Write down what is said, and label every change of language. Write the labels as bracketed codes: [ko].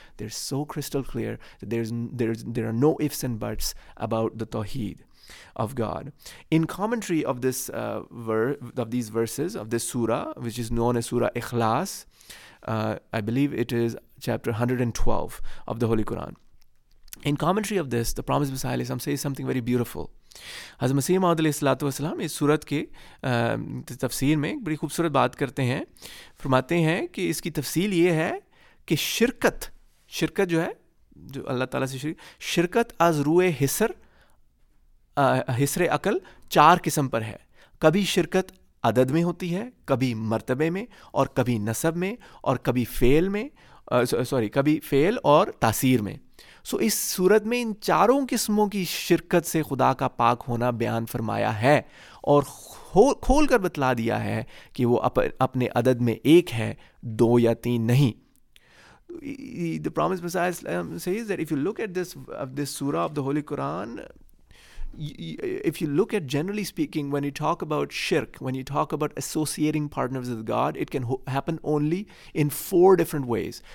[en] They're so crystal clear that there are no ifs and buts about the Tawheed of God. In commentary of this verses, of this surah, which is known as Surah Ikhlas, I believe it is chapter 112 of the Holy Quran. In commentary of this, the Promised Messiah says something very beautiful. [ur] حضرت مسیح موعود علیہ الصلوۃ والسلام اس سورت کے تفسیر میں ایک بڑی خوبصورت بات کرتے ہیں. فرماتے ہیں کہ اس کی تفصیل یہ ہے کہ شرکت جو ہے, جو اللہ تعالیٰ سے شرکت از روئے حسر عقل چار قسم پر ہے. کبھی شرکت عدد میں ہوتی ہے, کبھی مرتبے میں, اور کبھی نسب میں, اور کبھی فعل میں, سوری کبھی فعل اور تاثیر میں. سو اس صورت میں ان چاروں قسموں کی شرکت سے خدا کا پاک ہونا بیان فرمایا ہے اور کھول کر بتلا دیا ہے کہ وہ اپنے عدد میں ایک ہے, دو یا تین نہیں. [en] The Promised Messiah says that if you look at this surah of the Holy Quran, if you look at generally speaking, when you talk about shirk, when you talk about associating partners with God, it can happen only in four different ways.